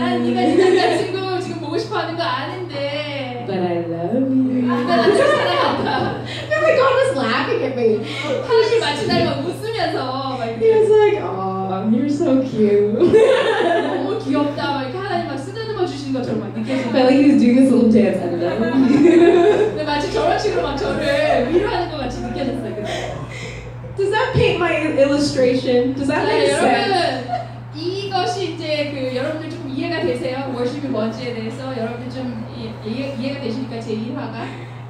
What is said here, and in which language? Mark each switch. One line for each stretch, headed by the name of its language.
Korean: 난 네가 남자친구 지금 보고 싶어 하는 거 아는데.
English: But I love you.
Korean: 나 나를 사랑한다.
English: And my God was laughing at me.
Korean: 하나님 마치 나를 막 웃으면서 막.
English: He was like, aw, you're so cute.
Korean: 너무 귀엽다. 막 이렇게 하나님 막 쓰다듬어 주시는 것처럼 막 느껴져.
English: But like he was doing this little dance. I love you.
Korean: 근데 마치 저런 식으로 막 저를 위로하는 거 같이.
English: Does that paint my illustration? Does that make sense?
Korean: 이것이 이제 그 여러분들 좀 이해가 되세요? Worship이 뭔지에 대해서 여러분들 좀 이해가 되시니까 제 1화가